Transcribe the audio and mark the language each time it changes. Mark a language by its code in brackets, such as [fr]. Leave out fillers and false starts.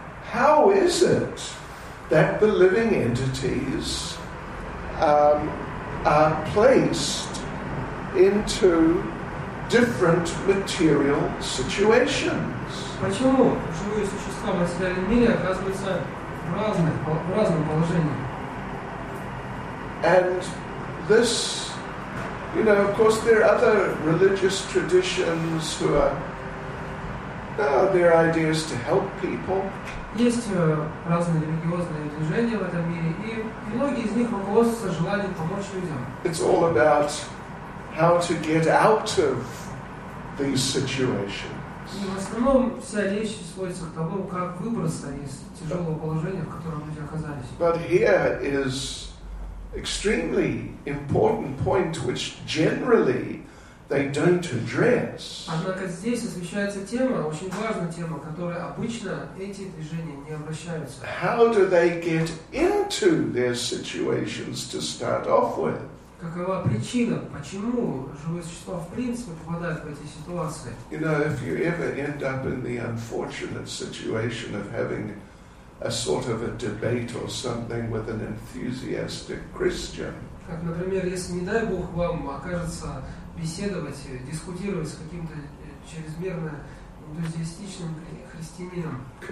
[en] How is it that the living entities are placed into different material situations? [ru] Почему живые существа в материальном мире оказываются в разном положении? [en] And this, you know, of course, there are other religious traditions who are their ideas to help people. [ru] Есть разные религиозные движения в этом мире, и многие из них руководствуются желанием помочь людям. [en] It's all about how to get out of these situations. [ru] И в основном вся речь сводится к тому, как выбраться из тяжелого положения, в котором люди оказались. [en] But here is extremely important point, which generally they don't address. [ru] Однако здесь освещается тема, очень важная тема, которой обычно эти движения не обращаются. [en] How do they get into their situations to start off with? [ru] Какова причина, почему живые существа в принципе попадают в эти ситуации? [en] You know, if you ever end up in the unfortunate situation of having a sort of a debate or something with an enthusiastic Christian. [ru] Как, например, если, не дай Бог, вам окажется беседовать, дискутировать с каким-то чрезмерно энтузиастичным христианином.